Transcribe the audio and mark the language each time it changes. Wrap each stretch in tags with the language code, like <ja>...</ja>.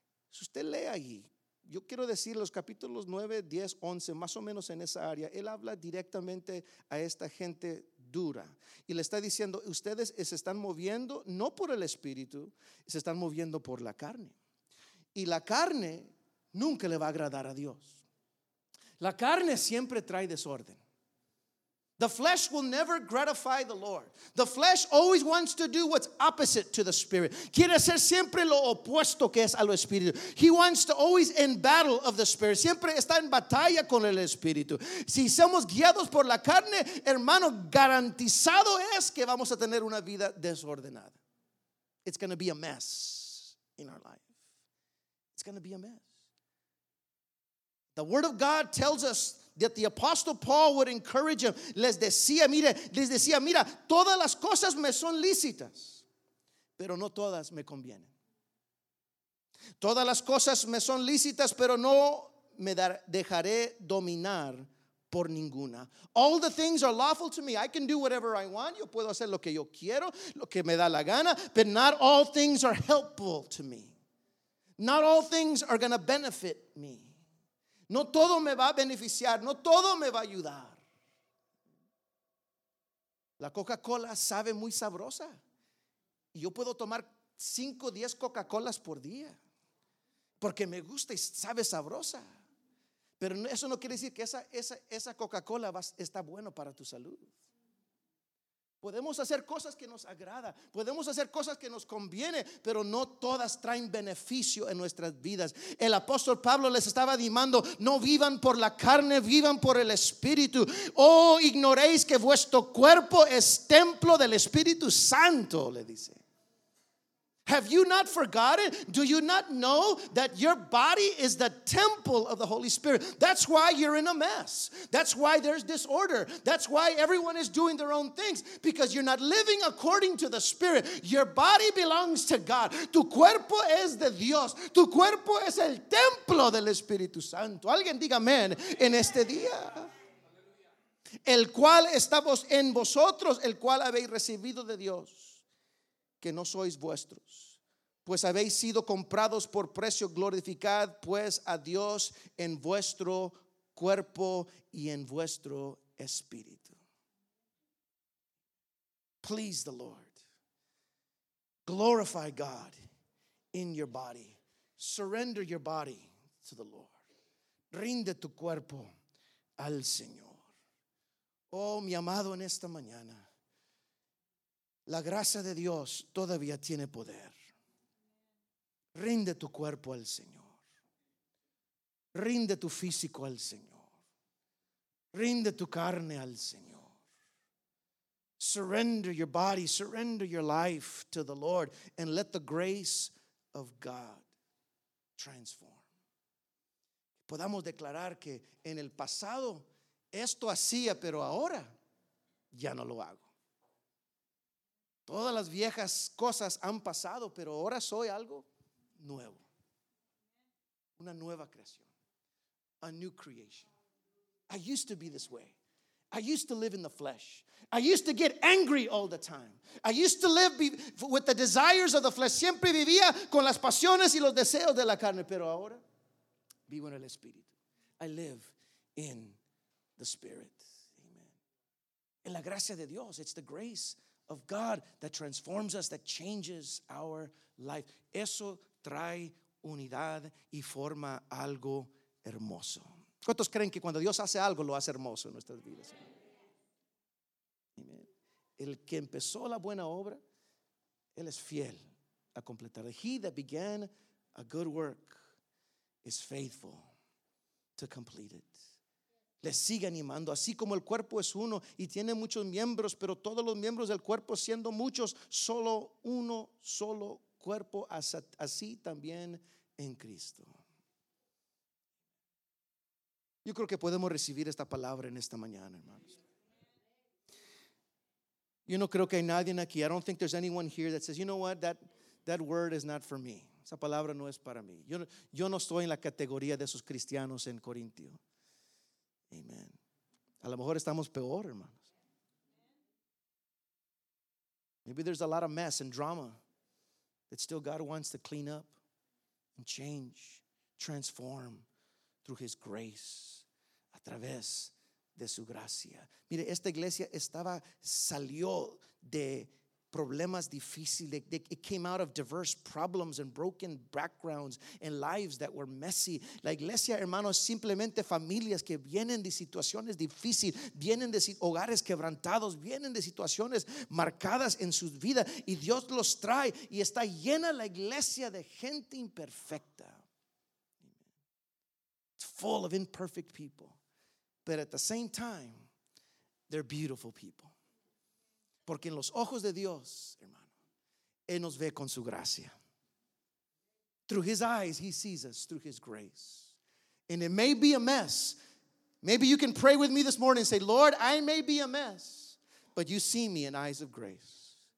<es>Si usted lee ahí, yo quiero decir, los capítulos 9, 10, 11, más o menos en esa área, él habla directamente a esta gente dura, y le está diciendo: ustedes se están moviendo no por el espíritu, se están moviendo por la carne, y la carne nunca le va a agradar a Dios. La carne siempre trae desorden.</es> <en>The flesh will never gratify the Lord. The flesh always wants to do what's opposite to the spirit.</en> <es>Quiere hacer siempre lo opuesto que es a lo espíritu.</es> <en>He wants to always in battle of the spirit.</en> <es>Siempre está en batalla con el espíritu. Si somos guiados por la carne, hermano, garantizado es que vamos a tener una vida desordenada.</es> <en>It's going to be a mess in our life. It's going to be a mess. The word of God tells us that the apostle Paul would encourage him.</en> <es>Les decía, mira, todas las cosas me son lícitas, pero no todas me convienen. Todas las cosas me son lícitas, pero no me dejaré dominar por ninguna.</es> <en>All the things are lawful to me. I can do whatever I want.</en> <es>Yo puedo hacer lo que yo quiero, lo que me da la gana,</es> <en>but not all things are helpful to me. Not all things are going to benefit me.</en> <es>No todo me va a beneficiar, no todo me va a ayudar. La Coca-Cola sabe muy sabrosa, y yo puedo tomar 5 o 10 Coca-Colas por día porque me gusta y sabe sabrosa. Pero eso no quiere decir que esa Coca-Cola está bueno para tu salud. Podemos hacer cosas que nos agrada, podemos hacer cosas que nos conviene, pero no todas traen beneficio en nuestras vidas. El apóstol Pablo les estaba animando: no vivan por la carne, vivan por el Espíritu. Oh, ignoréis que vuestro cuerpo es templo del Espíritu Santo, le dice.</es> <en>Have you not forgotten? Do you not know that your body is the temple of the Holy Spirit? That's why you're in a mess. That's why there's disorder. That's why everyone is doing their own things, because you're not living according to the Spirit. Your body belongs to God.</en> <es>Tu cuerpo es de Dios. Tu cuerpo es el templo del Espíritu Santo. Alguien diga amén en este día. El cual estamos en vosotros, el cual habéis recibido de Dios, que no sois vuestros, pues habéis sido comprados por precio. Glorificad pues a Dios en vuestro cuerpo y en vuestro espíritu.</es> <en>Please the Lord. Glorify God in your body. Surrender your body to the Lord.</en> <es>Rinde tu cuerpo al Señor. Oh, mi amado, en esta mañana, la gracia de Dios todavía tiene poder. Rinde tu cuerpo al Señor. Rinde tu físico al Señor. Rinde tu carne al Señor.</es> <en>Surrender your body, surrender your life to the Lord, and let the grace of God transform.</en> <es>Podamos declarar que en el pasado esto hacía, pero ahora ya no lo hago. Todas las viejas cosas han pasado, pero ahora soy algo nuevo. Una nueva creación.</es> <en>A new creation. I used to be this way. I used to live in the flesh. I used to get angry all the time. I used to live with the desires of the flesh.</en> <es>Siempre vivía con las pasiones y los deseos de la carne. Pero ahora vivo en el Espíritu.</es> <en>I live in the Spirit. Amen.</en> <es>En la gracia de Dios.</es> <en>It's the grace of God that transforms us, that changes our life.</en> <es>Eso trae unidad y forma algo hermoso. ¿Cuántos creen que cuando Dios hace algo lo hace hermoso en nuestras vidas? Amen. El que empezó la buena obra, él es fiel a completarla.</es> <en>He that began a good work is faithful to complete it.</en> <es>Le sigue animando. Así como el cuerpo es uno y tiene muchos miembros, pero todos los miembros del cuerpo siendo muchos, solo uno, solo cuerpo, así también en Cristo. Yo creo que podemos recibir esta palabra en esta mañana, hermanos. Yo no creo que hay nadie aquí.</es> <en>I don't think there's anyone here that says, you know what, that word is not for me.</en> <es>Esa palabra no es para mí. Yo no estoy en la categoría de esos cristianos en Corintio. Amen. A lo mejor estamos peor, hermanos.</es> <en>Maybe there's a lot of mess and drama that still God wants to clean up and change, transform through His grace,</en> <es>a través de su gracia. Mire, esta iglesia salió de problemas difíciles.</es> <en>It came out of diverse problems and broken backgrounds and lives that were messy.</en> <es>La iglesia, hermanos, simplemente familias que vienen de situaciones difíciles, vienen de hogares quebrantados, vienen de situaciones marcadas en sus vidas, y Dios los trae y está llena la iglesia de gente imperfecta.</es> <en>It's full of imperfect people, but at the same time, they're beautiful people.</en> <es>Porque en los ojos de Dios, hermano, Él nos ve con su gracia.</es> <en>Through His eyes, He sees us through His grace. And it may be a mess. Maybe you can pray with me this morning and say, Lord, I may be a mess, but you see me in eyes of grace.</en>